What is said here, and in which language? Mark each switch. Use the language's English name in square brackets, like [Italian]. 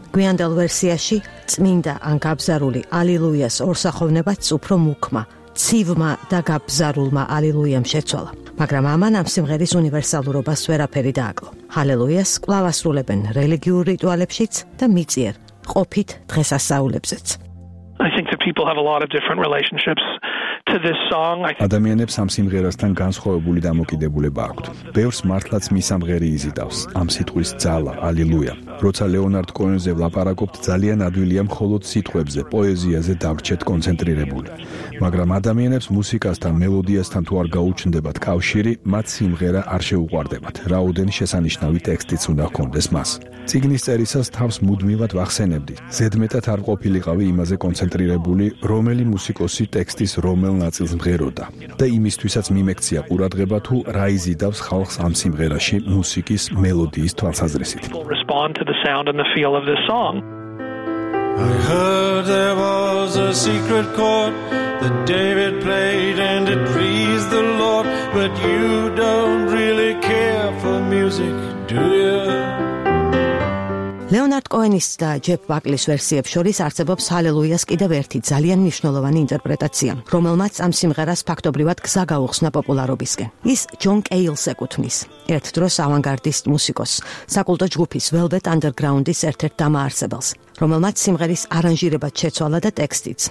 [Georgian] გვიანდელ ვერსიაში წმინდა ან გაბზარული ალილუიას ორსახოვნებაც უფრო მუქმა, ცივმა და გაბზარულმა ალილუიამ შეცვალა. მაგრამ ამან ამ სიმღერის უნივერსალურობას ვერაფერი დააკლო. ჰალელუიას კვლავ ასრულებენ რელიგიურ რიტუალებშიც და მიწიერ ყოფით დღესასწაულებზეც. [English] I think that people have a lot of different relationships to this song. [Georgian] ადამიანებს ამ სიმღერასთან განსხვავებული დამოკიდებულება აქვთ. ბევრს მართლაც მისამღერი იზიდავს ამ სიტყვის ძალა, ალილუია. როცა ლეონარდ კოენზე ვლაპარაკობთ, ძალიან ადვილია მხოლოდ სიტყვებზე, პოეზიაზე დაგრჩეთ კონცენტრირებული. მაგრამ ადამიანებს მუსიკასთან, მელოდიასთან თუ არ გაუჩნდებათ კავშირი, მათ სიმღერა არ შეუყვარდებათ, რაოდენ შესანიშნავი ტექსტიც უნდა ჰქონდეს მას. წიგნის წერისას თავს მუდმივად ვახსენებდი, ზედმეტად არ ყოფილიყავი იმაზე კონცენტრირებული, რომელი მუსიკოსი ტექსტის რომელ ნაწილს მღეროდა და იმისთვისაც მიმექცია ყურადღება, თუ რა იზიდავს ხალხს ამ სიმღერაში მუსიკის მელოდიის თვალსაზრისით. [English] To the sound and the feel of this song. I heard there was a secret chord that David played and it pleased the Lord, but you don't really care for music, do you? [Georgian] ლეონარდ კოენის და ჯეფ ბაკლის ვერსიებს შორის არსებობს ჰალელუიას კიდევ ერთი ძალიან მნიშვნელოვანი ინტერპრეტაცია, რომელმაც ამ სიმღერას ფაქტობრივად გზა გაუხსნა პოპულარობისკენ. ის ჯონ კეილს ეკუთვნის, ერთ დროს ავანგარდისტ მუსიკოს, საკულტო ჯგუფის ველვეტ ანდერგრაუნდის ერთ-ერთ დამაარსებელს, რომელმაც სიმღერის არანჟირებაც შეცვალა და ტექსტიც.